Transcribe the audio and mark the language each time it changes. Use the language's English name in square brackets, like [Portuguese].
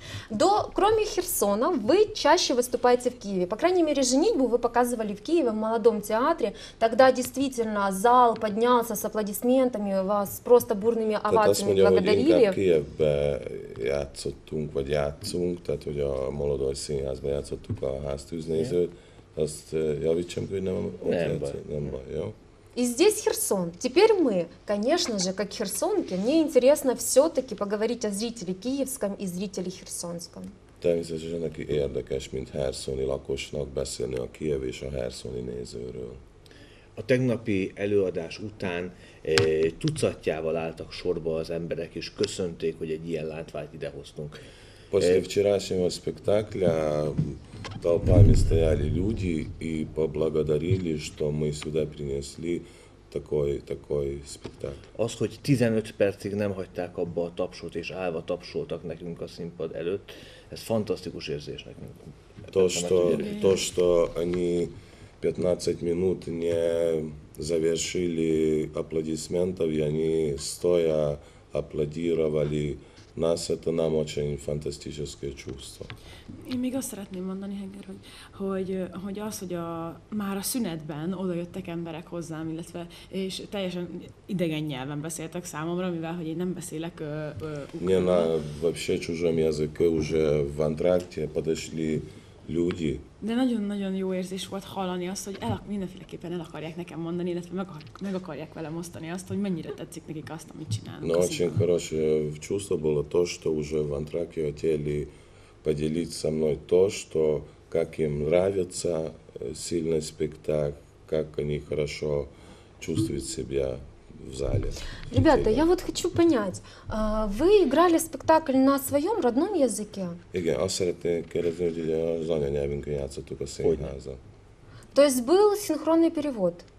[Russian] До, кроме Херсона, вы чаще выступаете в Киеве. По крайней мере, «Женитьбу» вы показывали в Киеве, в молодом театре. Тогда действительно зал поднялся с аплодисментами, вас просто бурными овациями благодарили. [Hungarian] Játszottunk, vagy játszunk, tehát hogy a Molodoly Színházban játszottuk a háztűznézőt, azt javítsam, hogy nem, nem baj. Nem baj, jó? [Russian] И здесь Херсон. Теперь мы, конечно же, как херсонки, мне интересно все-таки поговорить о зрителе киевском и зрителе херсонском. [Hungarian] Természetesen neki érdekes, mint herszoni lakosnak beszélni a kijev és a herszoni nézőről. A tegnapi előadás után tucatjával álltak sorba az emberek, és köszönték, hogy egy ilyen látványt idehoztunk. [Russian] После вчерашнего спектакля толпами стояли люди и поблагодарили, что мы сюда принесли такой спектакль. [Hungarian] Az, hogy 15 percig nem hagyták abba a tapsot, és állva tapsoltak nekünk a színpad előtt, ez fantasztikus érzés nekünk. [Russian] То, что они 15 минут не завершили аплодисментов, и они стоя аплодировали нас, это нам очень фантастическое чувство. [Hungarian] Én még azt szeretném mondani, Henger, hogy az, hogy már a szünetben odajöttek emberek hozzám, illetve és teljesen idegen nyelven beszéltek számomra, mivel hogy én nem beszélek ukránul. [Russian] Не, вообще чужом языке уже в антракте подошли люди. [Hungarian] De nagyon-nagyon jó érzés volt hallani azt, hogy mindenféleképpen el akarják nekem mondani, illetve meg akarják velem osztani azt, hogy mennyire tetszik nekik azt, amit csinálnak. [Russian] No, очень хорошее чувство было то, что уже в антракте хотели поделить со мной то, что как им нравится сильный спектакль, как они хорошо чувствуют себя в зале. Ребята, я вот хочу понять, вы играли спектакль на своем родном языке? [Hungarian] Igen, azt szeretnék kérdezni, hogy az anyanyelvünkön játszottuk a színházon. [Russian] То есть был синхронный перевод?